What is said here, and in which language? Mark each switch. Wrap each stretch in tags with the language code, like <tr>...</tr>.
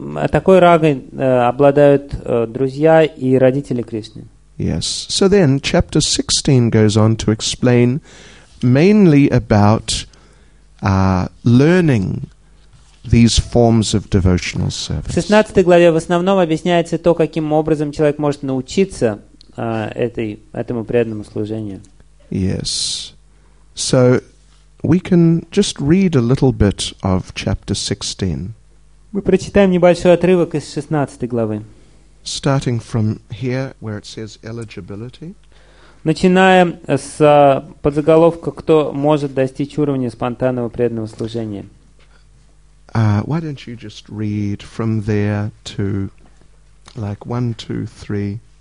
<ru>Такой рагой обладают друзья и родители Кришны.</ru> <en>Yes. So then, chapter 16 goes on to explain mainly about learning these forms of devotional service.</en> <ru>В 16 главе в основном объясняется то, каким образом человек может научиться этому преданному служению.</ru> <en>Yes. So we can just read a little bit of chapter 16.</en> <ru>Мы прочитаем небольшой отрывок из 16 главы.</ru> <en>Starting from here, where it says eligibility.</en> <ru>Начиная с подзаголовка «Кто может достичь уровня спонтанного преданного служения?»</ru> <en>Why don't you just read from there to like 1, 2, 3.</en>